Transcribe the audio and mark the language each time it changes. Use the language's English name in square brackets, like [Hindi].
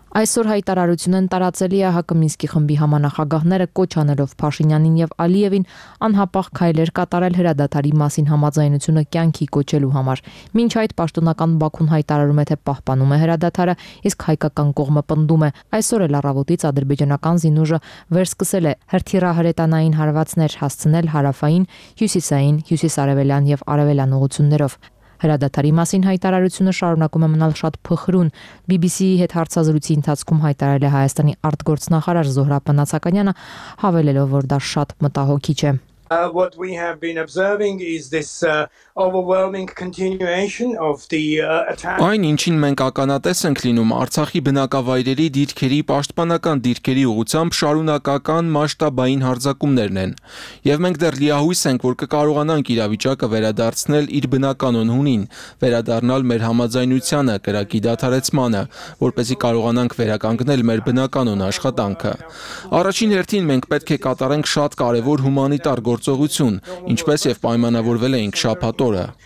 [Armenian] Այսօր հայտարարություն են տարածել ԵԱՀԿ Մինսկի խմբի համանախագահները, կոչ անելով Փաշինյանին եւ Ալիևին անհապաղ քայլեր կատարել հրադադարի մասին համաձայնությունը կյանքի կոչելու համար։ Մինչ այդ պաշտոնական Բաքուն հայտարարում է, թե պահպանում է հրադադարը, իսկ հայկական կողմը պնդում է, այսօր էլ առավոտից ադրբեջանական զինուժը վերսկսել է հրթիռահրետանային հարվածներ հասցնել հարավային, հյուսիսային, հյուսիսարևելյան եւ արևելյան ուղություններով։ Հրադադարի մասին հայտարարությունը շարունակում է մնալ շատ փխրուն։ BBC-ի հետ հարցազրույցի ընթացքում հայտարարել է Հայաստանի արտգործնախարար Զոհրաբ Պնացականյանը, հավելելով, որ դա շատ մտահոգիչ է։ [English] What we have been observing is this overwhelming continuation of the attack. [Armenian] Այն ինչին մենք ականատես ենք լինում Արցախի բնակավայրերի դիրքերի պաշտպանական դիրքերի ուղղությամբ շարունակական մասշտաբային հարձակումներն են։ Եվ մենք դեռ լիահույս ենք, որ կկարողանանք իրավիճակը վերադարձնել իր բնական օնհունին, վերադառնալ մեր համաձայնությանը, կրակի դադարեցմանը, որպեսզի կարողանանք վերականգնել մեր բնական օն աշխատանքը։ Առաջին հերթին մենք պետք է կատարենք շատ կարևոր հումանիտար գործողություն, ինչպես եւ պայմանավորվել էինք շաբաթ օրը։